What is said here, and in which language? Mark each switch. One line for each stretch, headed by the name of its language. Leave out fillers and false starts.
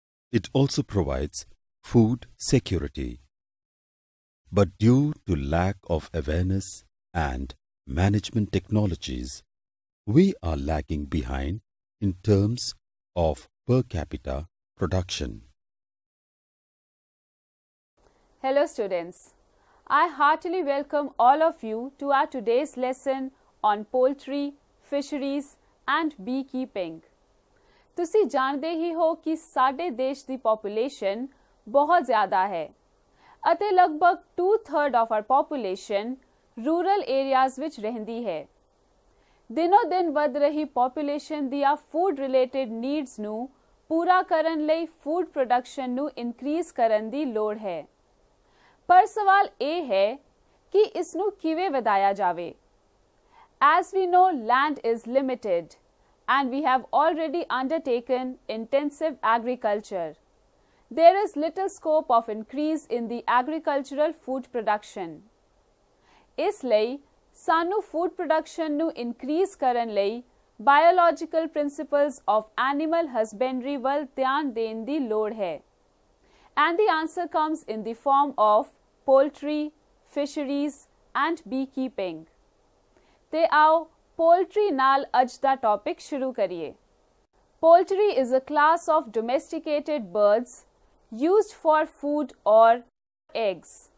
English: It also provides food security. But due to lack of awareness and management technologies, we are lagging behind in terms of per capita production. Hello students, I heartily welcome all of you to our today's lesson on poultry, fisheries and beekeeping.
Punjabi: ਤੁਸੀਂ ਜਾਣਦੇ ਹੀ ਹੋ ਕਿ ਸਾਡੇ ਦੇਸ਼ ਦੀ population ਬਹੁਤ ਜ਼ਿਆਦਾ ਹੈ ਅਤੇ ਲਗਭਗ 2/3 of R population rural areas ਵਿੱਚ ਰਹਿੰਦੀ ਹੈ। ਦਿਨੋ ਦਿਨ ਵੱਧ ਰਹੀ ਪੋਪੂਲੇਸ਼ਨ ਦੀਆਂ ਫੂਡ ਰਿਲੇਟਡ ਨੀਡਸ ਨੂੰ ਪੂਰਾ ਕਰਨ ਲਈ ਫੂਡ ਪ੍ਰੋਡਕਸ਼ਨ ਨੂੰ ਇਨਕਰੀਜ਼ ਕਰਨ ਦੀ ਲੋੜ ਹੈ। ਪਰ ਸਵਾਲ ਇਹ ਹੈ ਕਿ ਇਸ ਨੂੰ ਕਿਵੇਂ ਵਧਾਇਆ ਜਾਵੇ।
English: As we know land is limited and we have already undertaken intensive agriculture. There is little scope of increase in the agricultural food production.
Punjabi: ਇਸ ਲਈ ਸਾਨੂੰ ਫੂਡ ਪ੍ਰੋਡਕਸ਼ਨ ਨੂੰ ਇਨਕਰੀਜ਼ ਕਰਨ ਲਈ biological principals of animal husbandry ਵੱਲ ਧਿਆਨ ਦੇਣ ਦੀ ਲੋੜ ਹੈ।
English: And the answer comes in the form of poultry, fisheries and beekeeping.
Punjabi: Te aao poultry naal aj da topic shuru kariye.
English: Poultry is a class of domesticated birds used for food or eggs.